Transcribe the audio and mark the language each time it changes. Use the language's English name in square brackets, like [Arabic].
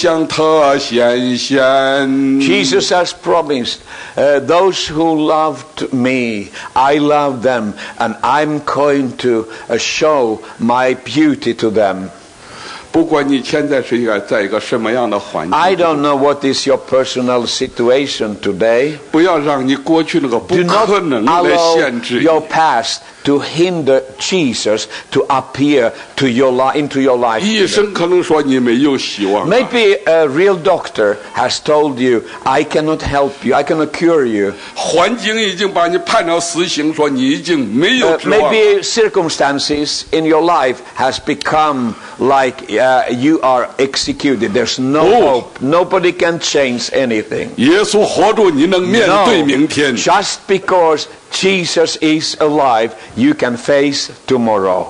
[Chinese] 耶稣说有了我的命令又遵守的，那人就是爱我的，爱我的必蒙我父爱他，我也要爱他，并且要向他显现。Jesus [English] has promised, those who loved me, I love them, and I'm going to show my beauty to them. I don't know what is your personal situation today. Do not allow your past to hinder Jesus to appear to your into your life. [Chinese] 医生可能说你没有希望啊。 [English] Maybe a real doctor has told you, I cannot help you, I cannot cure you. [Chinese] 环境已经把你判了死刑，说你已经没有指望了。 [English] Maybe circumstances in your life has become like you are executed. There's no hope. Nobody can change anything. [Chinese] 耶稣活着，你能面对明天。 [English] No, just because Jesus is alive, you can face tomorrow.